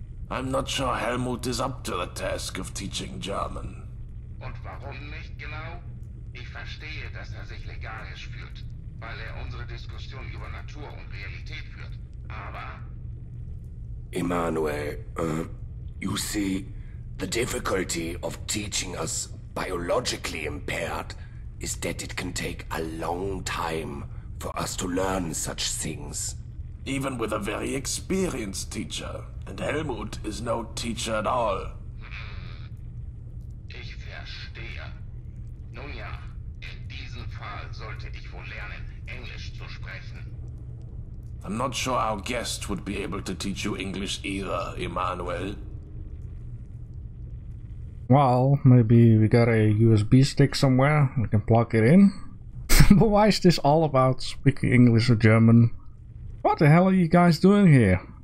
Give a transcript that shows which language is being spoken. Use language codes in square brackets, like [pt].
[en] I'm not sure Helmut is up to the task of teaching German. [de] Und warum nicht genau? Ich verstehe, dass sich legalisch fühlt, weil unsere Diskussion über Natur und Realität führt. Aber... [en] Emmanuel, you see, the difficulty of teaching us biologically impaired is that it can take a long time for us to learn such things. Even with a very experienced teacher. And Helmut is no teacher at all. [de] Ich verstehe. Nun ja, in diesem Fall sollte ich wohl lernen, Englisch zu sprechen. [en] I'm not sure our guest would be able to teach you English either, Emmanuel. Well, maybe we got a USB stick somewhere, we can plug it in. But why is this all about speaking English or German? What the hell are you guys doing here?